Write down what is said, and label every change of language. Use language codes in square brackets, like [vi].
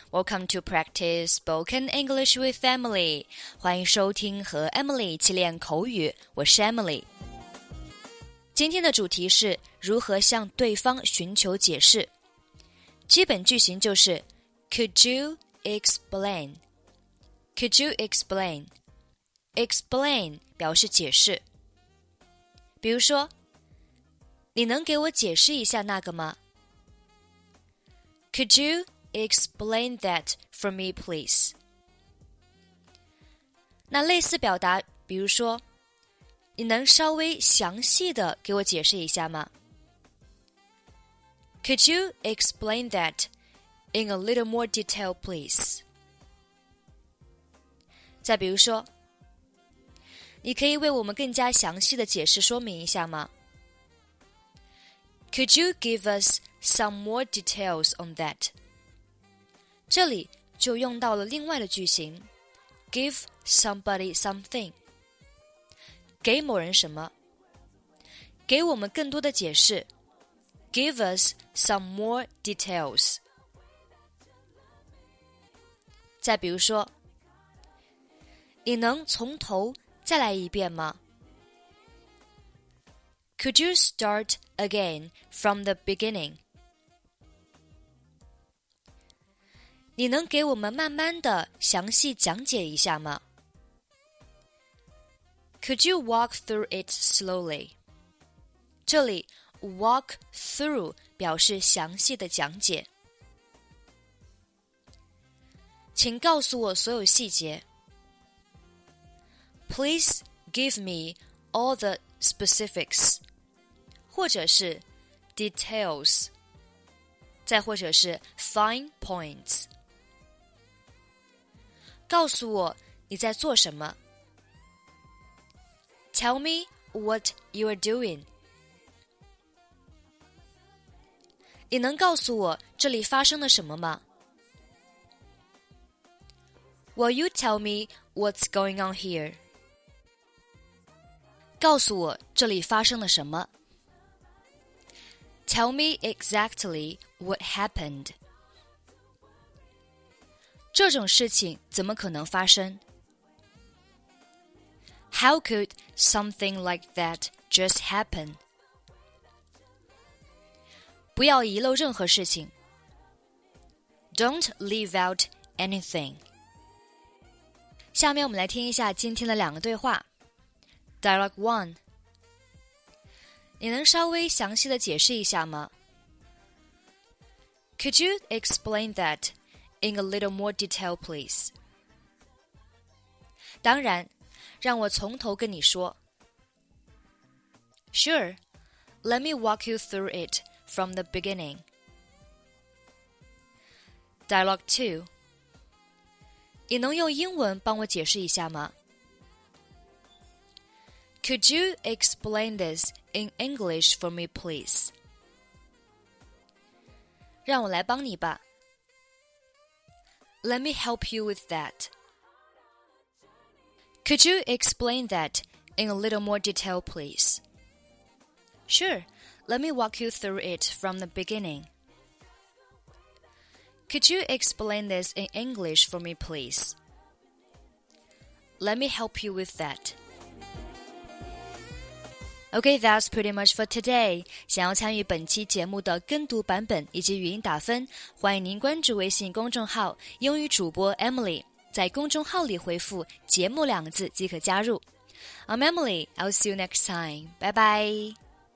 [en] Welcome to Practice Spoken English with Emily. [zh] 欢迎收听和 Emily 一起练口语，我是 Emily。今天的主题是如何向对方寻求解释。基本句型就是 [en] Could you explain? Could you explain? [zh] Explain 表示解释。比如说，你能给我解释一下那个吗？ [en] Could you explain that for me, please? [zh] 那类似表达，比如说，你能稍微详细的给我解释一下吗？ [en] Could you explain that in a little more detail, please? [zh] 再比如说，你可以为我们更加详细的解释说明一下吗？ [en] Could you give us some more details on that? [zh] 这里就用到了另外的句型 [en] Give somebody something. [zh] 给某人什么？给我们更多的解释。 [en] Give us some more details. [zh] 再比如说，你能从头再来一遍吗？ [en] Could you start again from the beginning? [zh] 你能给我们慢慢的详细讲解一下吗？ [en] Could you walk through it slowly? [zh] 这里 walk through 表示详细的讲解。请告诉我所有细节。 [en] Please give me all the specifics, [zh] 或者是 [en] details, [zh] 再或者是 [en] fine points. [zh] 告诉我你在做什么。 [en] Tell me what you are doing. [zh] 你能告诉我这里发生了什么吗？ [en] Will you tell me what's going on here? [zh] 告诉我这里发生了什么。 [en] Tell me exactly what happened. [zh] 这种事情怎么可能发生？ [en] How could something like that just happen? [zh] 不要遗漏任何事情。 [en] Don't leave out anything. [zh] 下面我们来听一下今天的两个对话。 [en] Dialogue 1. [zh] 你能稍微详细的解释一下吗？ [en] Could you explain that? In a little more detail, please. [zh] 当然，让我从头跟你说。 [en] Sure, let me walk you through it from the beginning. Dialogue 2. [zh] 你能用英文帮我解释一下吗？ [en] Could you explain this in English for me, please? [zh] 让我来帮你吧。 [en] Let me help you with that. Could you explain that in a little more detail, please? Sure, let me walk you through it from the beginning. Could you explain this in English for me, please? Let me help you with that. Okay, that's pretty much for today. [zh] 想要参与本期节目的跟读版本以及语音打分，欢迎您关注微信公众号英语主播 Emily, 在公众号里回复节目两个字即可加入。 [en] I'm Emily, I'll see you next time. Bye bye.